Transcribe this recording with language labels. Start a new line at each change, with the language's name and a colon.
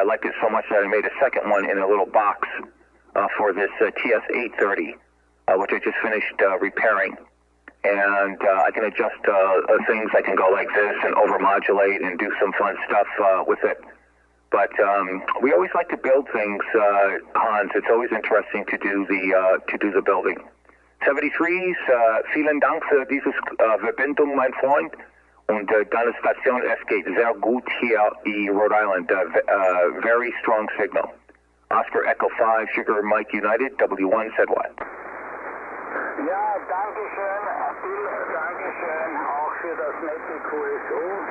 English: I liked it so much that I made a second one in a little box for this TS-830, which I just finished repairing. And I can adjust things. I can go like this and over-modulate and do some fun stuff with it. But we always like to build things, Hans. It's always interesting to do the building.
German: 73s, vielen Dank für dieses Verbindung, mein Freund. Und deine Station, es geht sehr gut hier in Rhode Island.
English: Very strong signal. Oscar Echo 5, Sugar Mike United, W1, said what?
German: Ja, danke schön. Bill, danke schön auch für das nette QSO.